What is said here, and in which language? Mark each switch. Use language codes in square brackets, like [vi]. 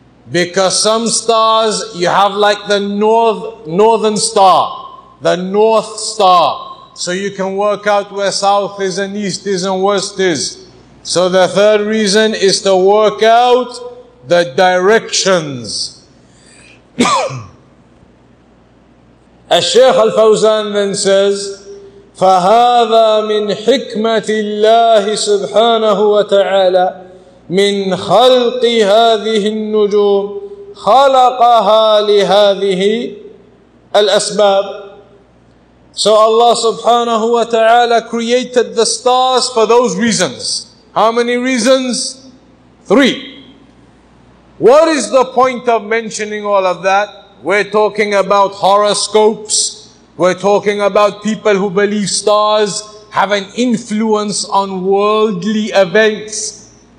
[en] Because some stars, you have like the northern star, the north star. So you can work out where south is and east is and west is. So the third reason is to work out the directions. As-Shaykh Al-Fawzan then says, [ar] فَهَذَا مِنْ حِكْمَةِ اللَّهِ سُبْحَانَهُ وَتَعَالَى مِنْ خَلْقِ هَذِهِ النُّجُومِ خَلَقَهَا لِهَذِهِ الْأَسْبَابِ. [en] So Allah subhanahu wa ta'ala created the stars for those reasons. How many reasons? Three. What is the point of mentioning all of that? We're talking about horoscopes. We're talking about people who believe stars have an influence on worldly events.